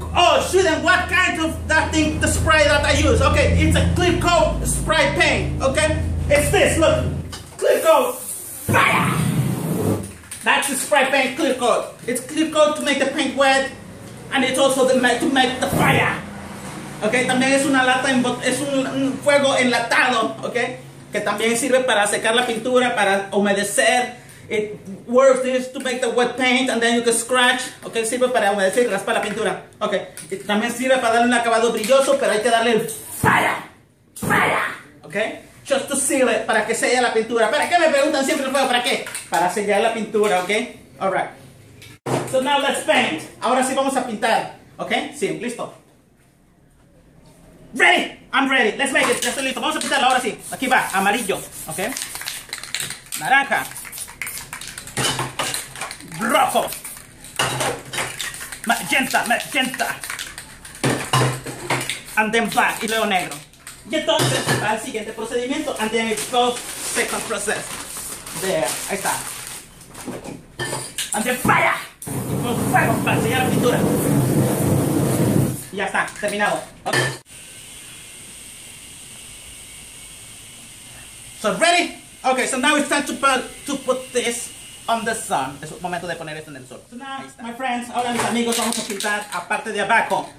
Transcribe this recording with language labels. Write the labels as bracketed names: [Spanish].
[English] Oh, Sweden, what kind of that thing, the spray that I use? Okay, it's a clip coat spray paint, okay? It's this, look. Clip coat. Fire! That's the spray paint clip coat. It's clip coat to make the paint wet, and it's also to make the fire. [Spanish] Okay, también es una lata, es un fuego enlatado, okay? Que también sirve para secar la pintura, para humedecer. [English] It works this to make the wet paint and then you can scratch. [Spanish] Okay, sirve para humedecer, raspa la pintura. Okay, it también sirve para darle un acabado brilloso, pero hay que darle el fire. [English] Fire! Okay? Just to seal it, [Spanish] para que selle la pintura. ¿Para qué me preguntan siempre el fuego? ¿Para qué? Para sellar la pintura, okay? [English] Alright. So now let's paint. [Spanish] Ahora sí vamos a pintar. Okay? Sí, listo. [English] Ready! I'm ready. Let's make it. [Spanish] Ya estoy listo. Vamos a pintarlo ahora sí. Aquí va, amarillo. Okay? Naranja. Rojo, magenta, [English] and then black, [Spanish] y luego negro. Y entonces, para el siguiente procedimiento, [English] and then it goes second process. There, [Spanish] ahí está. [English] And then fire, [Spanish] con fuego, para sellar la pintura. Y ya está, terminado. Okay. [English] So, ready? Okay, so now it's time to put this on the sun. [Spanish] Es el momento de poner esto en el sol. [English] So now, my friends, [Spanish] ahora mis amigos, vamos a pintar aparte de abajo.